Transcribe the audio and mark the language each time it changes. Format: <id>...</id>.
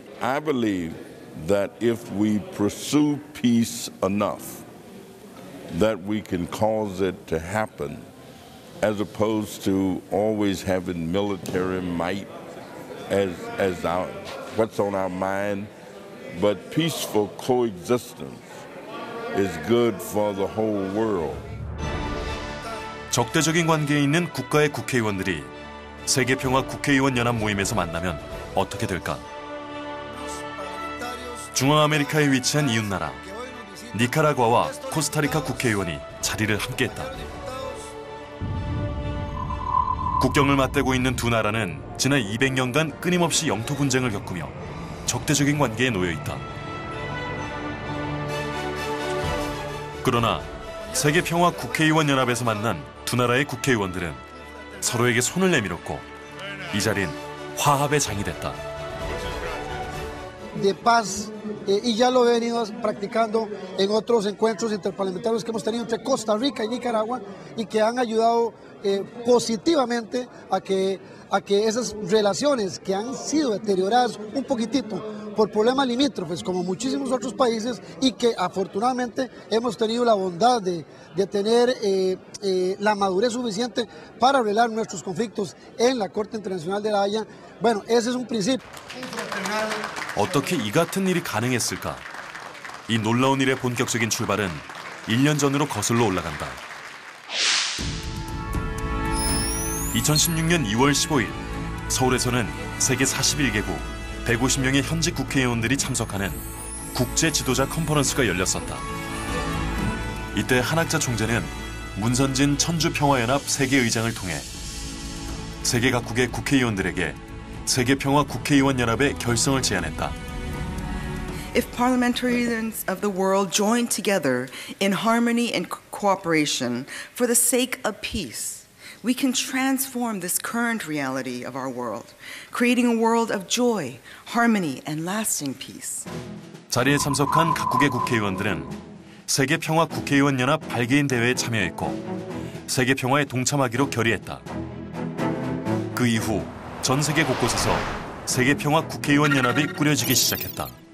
<en>I believe that if we pursue peace enough, that we can cause it to happen, as opposed to always having military might as our, what's on our mind, but peaceful coexistence is good for the whole world.</en> <ko>적대적인 관계에 있는 국가의 국회의원들이 세계 평화 국회의원 연합 모임에서 만나면 어떻게 될까? 중앙 아메리카에 위치한 이웃 나라 니카라과와 코스타리카 국회의원이 자리를 함께했다. 국경을 맞대고 있는 두 나라는 지난 200년간 끊임없이 영토 분쟁을 겪으며 적대적인 관계에 놓여 있다. 그러나 세계 평화 국회의원 연합에서 만난 두 나라의 국회의원들은 서로에게 손을 내밀었고 이 자리는 화합의 장이 됐다.</ko> <es>De paz y ya lo venido practicando en otros encuentros interparlamentarios que hemos tenido entre Costa Rica y Nicaragua y que han ayudado positivamente a que esas relaciones que han sido deterioradas un poquitito por problemas limítrofes como muchísimos otros países y que afortunadamente hemos tenido la bondad de tener la madurez suficiente para arreglar nuestros conflictos en la Corte Internacional de La Haya. Bueno, ese es un principio.</es> <ko>어떻게 이 같은 일이 가능했을까? 이 놀라운 일의 본격적인 출발은 1년 전으로 거슬러 올라간다. 2016년 2월 15일 서울에서는 세계 41개국 150명의 현직 국회의원들이 참석하는 국제 지도자 컨퍼런스가 열렸었다. 이때 한학자 총재는 문선진 천주평화연합 세계의장을 통해 세계 각국의 국회의원들에게 세계 평화 국회의원 연합의 결성을 제안했다.</ko> <en>If parliamentarians of the world join together in harmony and cooperation for the sake of peace, we can transform this current reality of our world, creating a world of joy, harmony, and lasting peace.</en> <ko>자리에 참석한 각국의 국회의원들은 세계 평화 국회의원 연합 발기인 대회에 참여했고 세계 평화에 동참하기로 결의했다. 그 이후 전 세계 곳곳에서 세계 평화 국회의원 연합이 꾸려지기 시작했다.</ko>